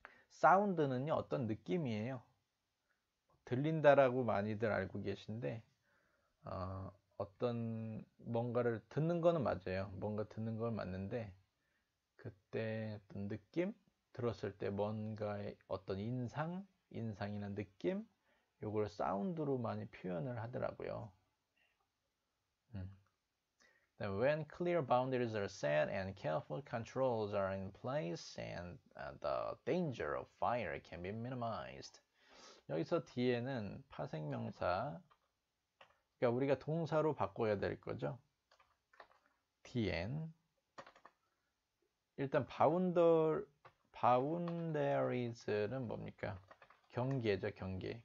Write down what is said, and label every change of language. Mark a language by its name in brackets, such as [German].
[Korean] 사운드는요, 어떤 느낌이에요? 들린다라고 많이들 알고 계신데, 어떤 뭔가를 듣는 거는 맞아요. 뭔가 듣는 건 맞는데, 그때 어떤 느낌? 들었을 때 뭔가의 어떤 인상? 인상이나 느낌? 요걸 사운드로 많이 표현을 하더라고요. [English] When clear boundaries are set and careful controls are in place and the danger of fire can be minimized. [Korean] 여기서 뒤에는 파생명사, 그러니까 우리가 동사로 바꿔야 될 거죠. dn 일단 boundaries는 뭡니까? 경계죠, 경계.